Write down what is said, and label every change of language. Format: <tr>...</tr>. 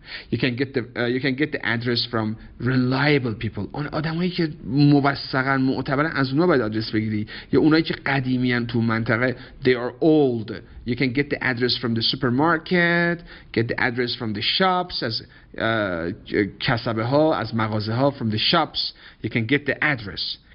<en>You can get the address from reliable people.</en> <fa>اون آدمایی که موثقن معتبرن از اونها باید آدرس بگیری، یا اونایی که قدیمی ان تو منطقه.</fa> <en>They are old. You can get the address from the supermarket, get the address from the shops, as</en> <fa>کسبه ها، از مغازه ها.</fa> <en>From the shops you can get the address.</en>